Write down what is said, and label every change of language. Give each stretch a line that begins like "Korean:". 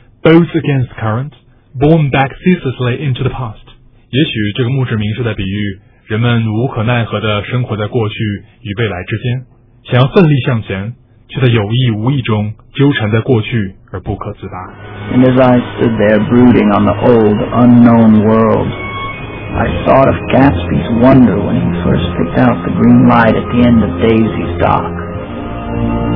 English: Boats against current, borne back ceaselessly into the past.
Chinese: 也许这个墓志铭是在比喻人们无可奈何地生活在过去与未来之间，想要奋力向前，却在有意无意中纠缠在过去而不可自拔。
English: And as I stood there brooding on the old, unknown world, I thought of Gatsby's wonder when he first picked out the green light at the end of Daisy's dock.